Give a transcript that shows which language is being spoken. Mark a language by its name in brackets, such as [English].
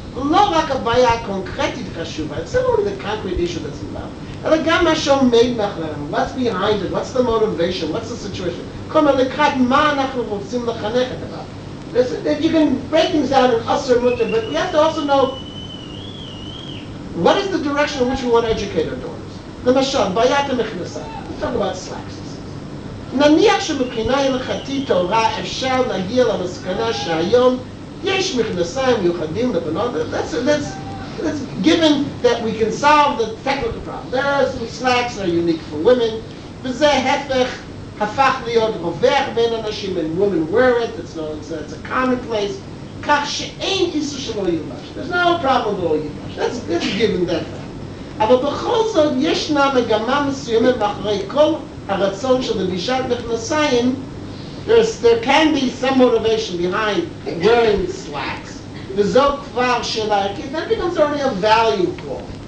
[Hebrew] לא רק הבעיה הקונקרטית חשובה, [English] it's not only the concrete issue that's involved, [Hebrew] אלא גם מה שעומד מאחורינו, [English] what's behind it, what's the motivation, what's the situation, [Hebrew] כל מיני לקראת מה אנחנו רוצים לחנך את הבעיה. [English] You can break things down in us or mutter, but we have to also know what is the direction in which we want to educate our daughters. [Hebrew] למשל, בעיית המכנסה, [English] let's talk about slacks. [Hebrew] נניח שמבחינה הלכתית תורה אפשר להגיע למסקנה שהיום יש מכנסיים מיוחדים לבנות, [English] that's given that we can solve the technical problem. There are some slacks that are unique for women, [Hebrew] וזה הפך, הפך להיות רווח בין אנשים, [English] and women wear it, it's a commonplace, [Hebrew] כך שאין איסור שלא ילבש. [English] There's no problem with all ילבש. That's given that fact. [Hebrew] אבל בכל זאת ישנה מגמה מסוימת מאחורי כל הרצון של לבישת מכנסיים, [English] there can be some motivation behind wearing slacks, [Hebrew] וזו כבר שאלה ערכית, [English] that becomes already a value call.